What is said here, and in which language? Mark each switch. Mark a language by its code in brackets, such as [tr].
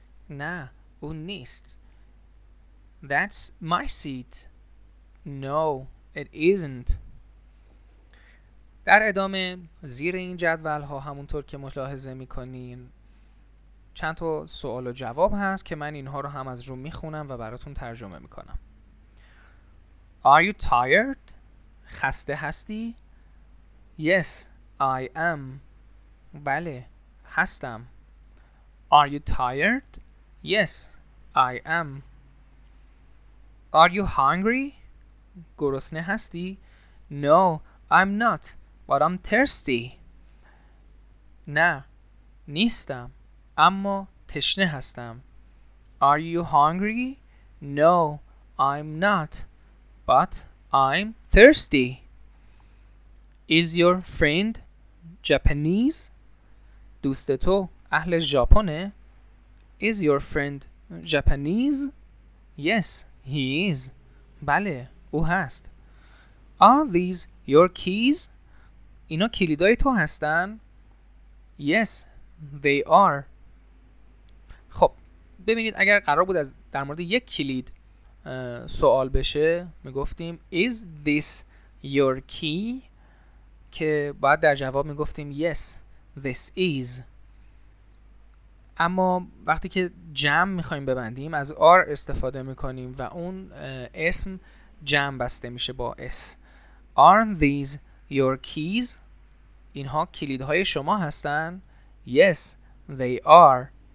[fa] نه، اون نیست. [en] That's my seat. No, it isn't. [fa] در ادامه زیر این جدول ها همونطور که ملاحظه میکنین چند تا سوال و جواب هست که من اینها رو هم از رو میخونم و براتون ترجمه میکنم. [en] Are you tired? [fa] خسته هستی؟ [en] Yes, I am. [fa] بله، هستم. [en] Are you tired? Yes, I am. Are you hungry? [fa] گرسنه هستی؟ [en] No, I'm not. But I'm thirsty. [fa] نه، نیستم. اما تشنه هستم. [en] Are you hungry? No, I'm not. But I'm thirsty. Is your friend Japanese? [fa] دوست تو اهل ژاپنه؟ [en] Is your friend Japanese? Yes, he is. [fa] بله، او هست. [en] Are these your keys? [fa] اینا کلیدای تو هستن؟ [en] Yes, they are. [fa] خب ببینید، اگر قرار بود از در مورد یک کلید سوال بشه میگفتیم [en] Is this your key؟ [fa] که بعد در جواب میگفتیم [en] Yes, this is. [fa] اما وقتی که جمع میخواییم ببندیم از are استفاده میکنیم و اون اسم جمع بسته میشه با S. [en] Are these your keys؟ [fa] اینها کلیدهای شما هستن؟ [en] Yes, they are.